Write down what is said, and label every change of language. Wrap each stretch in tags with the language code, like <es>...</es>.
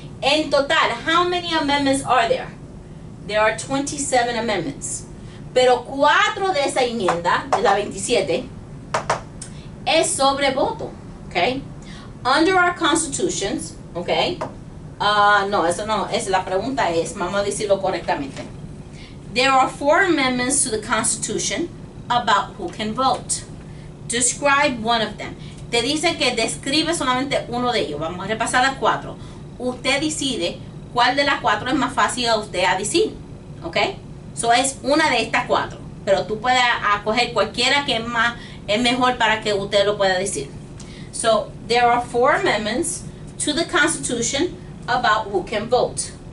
<en>En total, how many amendments are there? There are 27 amendments.</en> <es>Pero cuatro de esa enmienda, de la 27, es sobre voto. Ok.</es> <en>Under our constitutions,</en> <es>ok. No, eso no, es la pregunta es, vamos a decirlo correctamente.</es> <en>There are four amendments to the Constitution about who can vote. Describe one of them.</en> <es>Te dice que describe solamente uno de ellos. Vamos a repasar las cuatro. Usted decide cuál de las cuatro es más fácil a usted a decir. ¿Ok? So es una de estas cuatro. Pero tú puedes acoger cualquiera que es mejor para que usted lo pueda decir.</es> <en>So, there are four amendments to the Constitution about who can vote.</en>